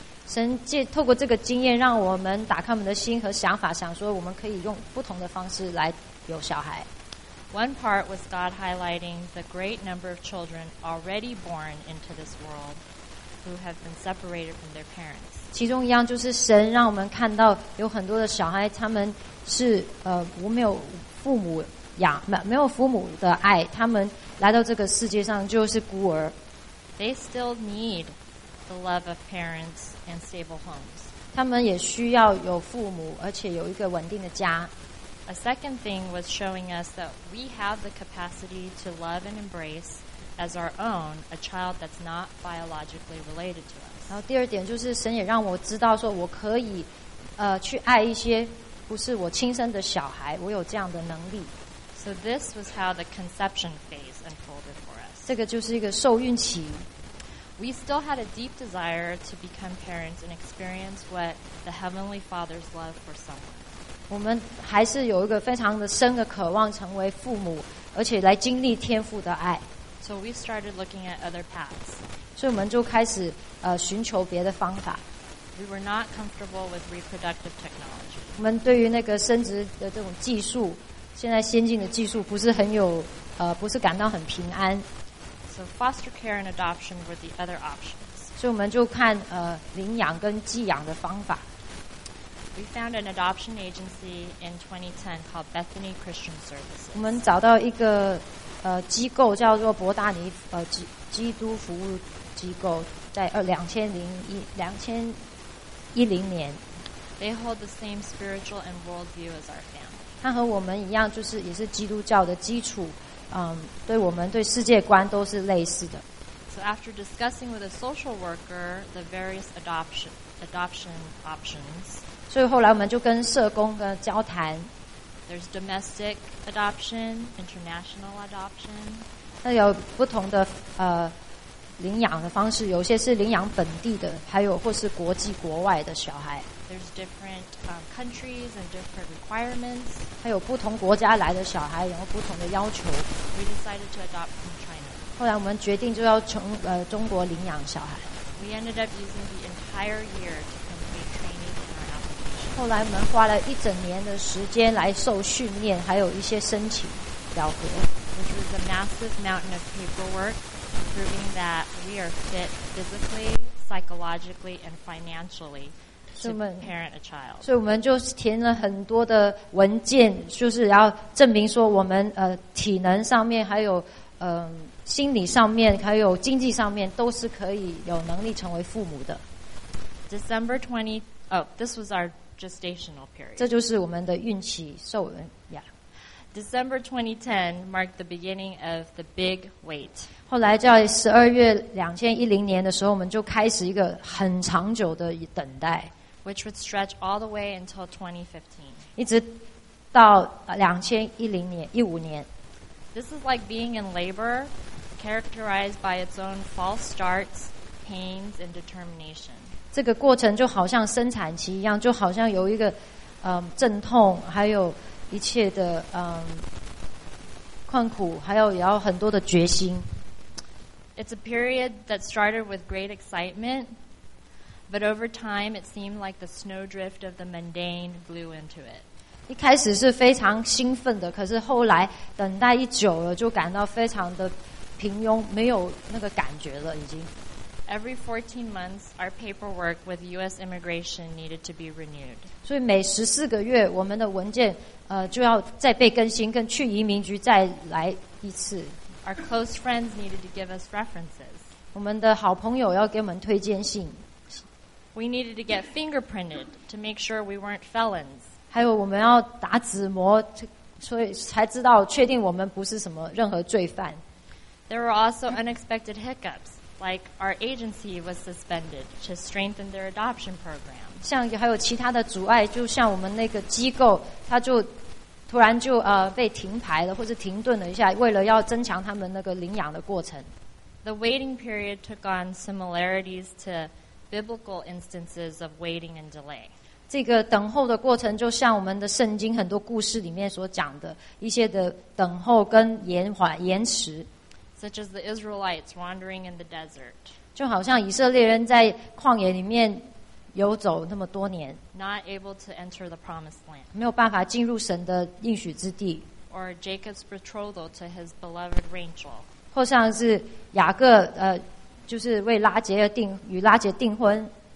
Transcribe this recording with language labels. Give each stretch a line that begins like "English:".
Chinese: 神透过这个经验，让我们打开我们的心和想法，想说我们可以用不同的方式来有小孩。
English: One part was God highlighting the great number of children already born into this world. Who have been separated from their parents.
Chinese: 其中一样就是神让我们看到有很多的小孩，他们是无没有父母养，没有父母的爱，他们来到这个世界上就是孤儿。
English: They still need the love of parents and stable homes.
Chinese: 他们也需要有父母，而且有一个稳定的家。
English: A second thing was showing us that we have the capacity to love and embrace. As our own, a child that's not biologically related to us.
Chinese: 然后第二点就是神也让我知道说我可以去爱一些不是我亲生的小孩，我有这样的能力。
English: So this was how the conception phase unfolded for us.
Chinese: 这个就是一个受孕期。
English: We still had a deep desire to become parents and experience what the Heavenly Father's love for someone.
Chinese: 我们还是有一个非常的深的渴望成为父母，而且来经历天父的爱。
English: So we started looking at other paths.
Chinese: 所以我们就开始寻求别的方法。
English: We were not comfortable with reproductive technology.
Chinese: 我们对于那个生殖的这种技术，现在先进的技术不是很有不是感到很平安。
English: So foster care and adoption were the other options.
Chinese: 所以我们就看领养跟寄养的方法。
English: We found an adoption agency in 2010 called Bethany Christian Services.
Chinese: 我们找到一个机构叫做伯大尼基督服务机构，在2010年。
English: They hold the same spiritual and worldview as our family.
Chinese: 它和我们一样，就是也是基督教的基础，对我们对世界观都是类似的。
English: So after discussing with a social worker the various adoption options,
Chinese: 所以后来我们就跟社工跟交谈。
English: There's domestic adoption, international adoption.
Chinese: 那有不同的领养的方式，有些是领养本地的，还有或是国际国外的小孩。
English: There's different countries and different requirements.
Chinese: 还有不同国家来的小孩，然后不同的要求。
English: We decided to adopt from China.
Chinese: 后来我们决定就要从中国领养小孩。
English: We ended up using the entire year to complete training for our application.
Chinese: 后来我们花了一整年的时间来受训练，还有一些申请表格。
English: Which was a massive mountain of paperwork, proving that we are fit physically, psychologically, and financially.
Chinese: 所以我们就填了很多的文件，就是要证明说我们体能上面还有心理上面还有经济上面都是可以有能力成为父母的。
English: This was our gestational period.
Chinese: 这就是我们的孕期受孕。
English: Yeah. December 2010 marked the beginning of the big wait.
Chinese: 后来在12月2010年的时候，我们就开始一个很长久的等待。
English: Which would stretch all the way until 2015.
Chinese: 一直到2010年15年。
English: This is like being in labor, characterized by its own false starts, pains, and determination.
Chinese: 这个过程就好像生产期一样，就好像有一个阵痛，还有一切的困苦，还有也要很多的决心。
English: It's a period that started with great excitement. But over time, it seemed like the snowdrift of the mundane blew into it.
Chinese: 一开始是非常兴奋的，可是后来等待一久了，就感到非常的平庸，没有那个感觉了，已经。
English: Every 14 months, our paperwork with U.S. immigration needed to be renewed.
Chinese: 所以每14个月，我们的文件就要再被更新，跟去移民局再来一次。
English: Our close friends needed to give us references.
Chinese: 我们的好朋友要给我们推荐信。
English: We needed to get fingerprinted to make sure we weren't felons.
Chinese: 还有我们要打指模，所以才知道确定我们不是什么任何罪犯。
English: There were also unexpected hiccups, like our agency was suspended to strengthen their adoption program.
Chinese: 像还有其他的阻碍，就像我们那个机构，它就突然就被停牌了，或者停顿了一下，为了要增强他们那个领养的过程。
English: The waiting period took on similarities to. Biblical instances of waiting and delay.
Chinese: 这个等候的过程就像我们的圣经很多故事里面所讲的一些的等候跟延缓延迟
English: Such as the Israelites wandering in the desert.
Chinese: 就好像以色列人在旷野里面游走那么多年
English: Not able to enter the promised land.
Chinese: 没有办法进入神的应许之地
English: Or Jacob's betrothal to his beloved Rachel.
Chinese: 或像是雅各就是为拉结而订与拉结订婚